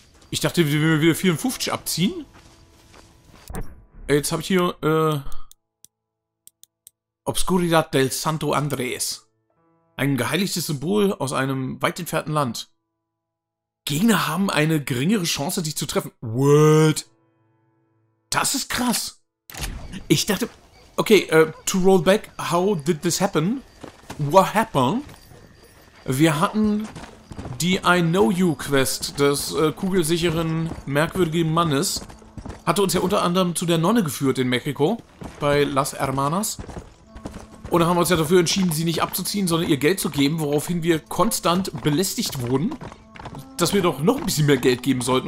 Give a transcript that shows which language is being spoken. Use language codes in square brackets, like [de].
[de] Ich dachte, wir würden wieder 54 abziehen. Jetzt habe ich hier Obscuridad del Santo Andrés. Ein geheiligtes Symbol aus einem weit entfernten Land. Gegner haben eine geringere Chance, dich zu treffen. [en] What? [de] Das ist krass. Ich dachte... [en] Okay, to roll back, how did this happen? What happened? [de] Wir hatten die I-Know-You-Quest des kugelsicheren, merkwürdigen Mannes. Hatte uns ja unter anderem zu der Nonne geführt in Mexiko, bei Las Hermanas. Und dann haben wir uns ja dafür entschieden, sie nicht abzuziehen, sondern ihr Geld zu geben, woraufhin wir konstant belästigt wurden, dass wir doch noch ein bisschen mehr Geld geben sollten.